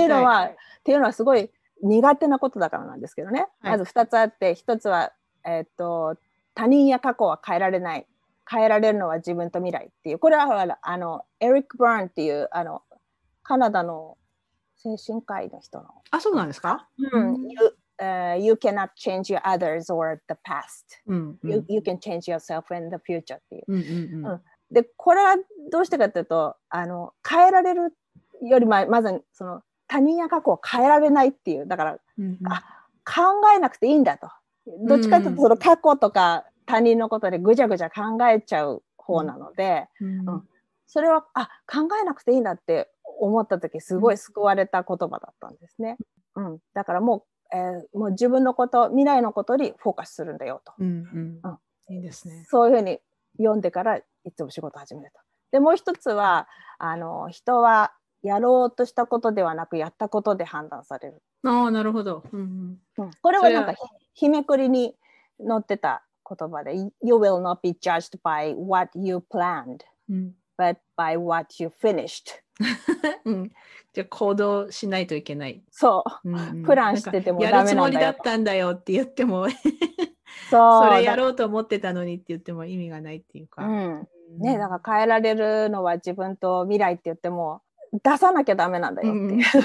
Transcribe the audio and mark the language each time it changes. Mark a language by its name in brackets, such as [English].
[Japanese] っていうのはすごい苦手なことだからなんですけどね、はい、まず2つあって、1つは、他人や過去は変えられない、変えられるのは自分と未来っていう、これはあのエリック・バーンっていうあのカナダの精神科医の人の。あそうなんですか、うん、 [English] you cannot change your others or the past. [Japanese] うんうん、 [English] you can change yourself in the future. [Japanese] うんうんうんうん、でこれはどうしてかというと、あの変えられるよりまずその他人や過去を変えられないっていう、だから、うんうん、あ考えなくていいんだと。どっちかというとその過去とか他人のことでぐちゃぐちゃ考えちゃう方なので、うんうんうん、それはあ考えなくていいんだって思った時すごい救われた言葉だったんですね、うん、だからもう、もう自分のこと未来のことにフォーカスするんだよと、うんうんうん、いいですね。そういうふうに読んでからいつも仕事始めると。でもう一つはあの人はやろうとしたことではなくやったことで判断される。あなるほど、うんうんうん、これはなんか日めくりに載ってた言葉で [English] You will not be judged by what you planned、 [Japanese] うん、 [English] but by what you finished 、 [Japanese] うん、じゃあ行動しないといけない。そう、うんうん、プランしててもダメなんだよ、やるつもりだったんだよって言ってもそう、それやろうと思ってたのにって言っても意味がないっていうか、うんうん、ね、だから変えられるのは自分と未来って言っても出さなきゃダメなんだよっていう、うん、